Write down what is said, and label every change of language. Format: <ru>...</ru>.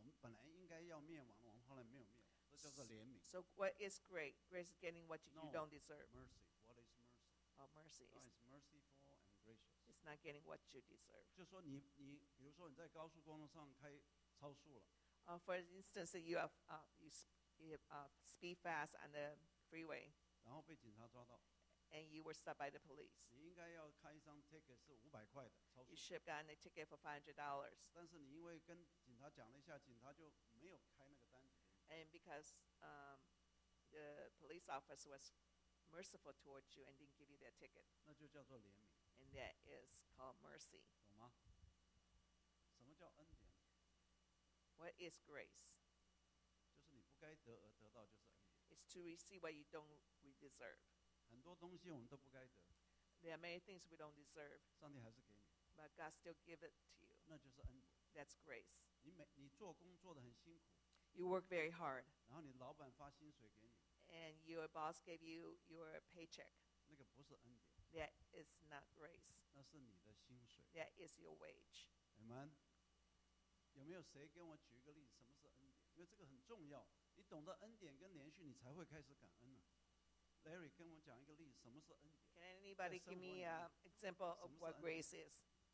<zh>就神对我们的怜悯，就是我们本来应该要灭亡的，我们后来没有灭亡。这叫做怜悯。</zh> <en>So what is great? Grace is getting what you, no, you don't deserve. Mercy. What is mercy? Oh, mercy. God is merciful and gracious. It's not getting what you deserve.</en> <zh>就说你比如说你在高速公路上开超速了。</zh> <en>For instance, you have speed fast on the freeway.</en> <zh>然后被警察抓到。</zh> <en>And you were stopped by the police.</en> <zh>你应该要开一张ticket是500块的超速。</zh> <en>You should have gotten a ticket for $500.</en> <zh>但是你因为跟警察讲了一下，警察就没有开那个单子。</zh> <en>And because the police officer was merciful towards you and didn't give you that ticket.</en> <zh>那就叫做怜悯。</zh> <en>And that is called mercy.</en> <zh>懂吗?什么叫恩典?</zh> <en>What is grace?</en> <zh>就是你不该得而得到就是恩典。</zh> <en>It's to receive what you don't deserve.</en> <zh>很多东西我们都不该得。</zh> <en>There are many things we don't deserve.</en> <zh>上帝还是给你。</zh> <en>But God still give it to you.</en> <zh>那就是恩典。</zh> <en>That's grace.</en> <zh>你做工做得很辛苦。</zh> <en>You work very hard.</en> <zh>然后你老板发薪水给你,</zh> <en>and your boss gave you your paycheck.</en> <zh>那个不是恩典,</zh> <en>that is not grace.</en> <zh>那是你的薪水,</zh> <en>that is your wage. Amen.</en> <zh>有没有谁跟我举一个例子, 什么是恩典?因为这个很重要, 你懂得恩典跟连续, 你才会开始感恩啊。 Larry, 跟我讲一个例子, 什么是恩典?</zh> <en>Can anybody give me an example of what grace is?</en>